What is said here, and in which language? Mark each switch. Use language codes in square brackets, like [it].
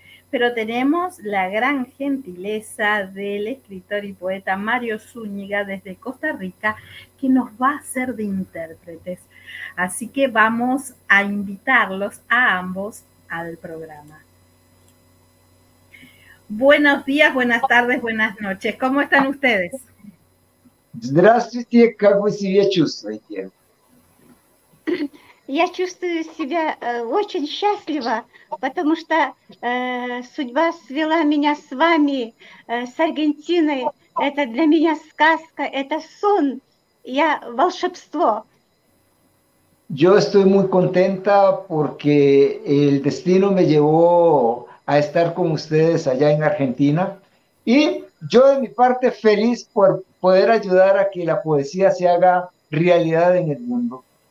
[es] Pero tenemos la gran gentileza del escritor y poeta Mario Zúñiga desde Costa Rica, que nos va a hacer de intérpretes. Así que vamos a invitarlos a ambos al programa. Buenos días, buenas tardes, buenas noches. ¿Cómo están ustedes? [ru] Здравствуйте, как вы себя чувствуете? Я чувствую себя очень счастлива, потому что судьба свела меня с вами, с Аргентиной. Это для меня сказка, это сон, я волшебство. [es] Yo estoy muy contenta porque el destino me llevó a estar con ustedes allá en Argentina. Y yo de mi parte feliz por poder ayudar a que la poesía se haga realidad en el mundo.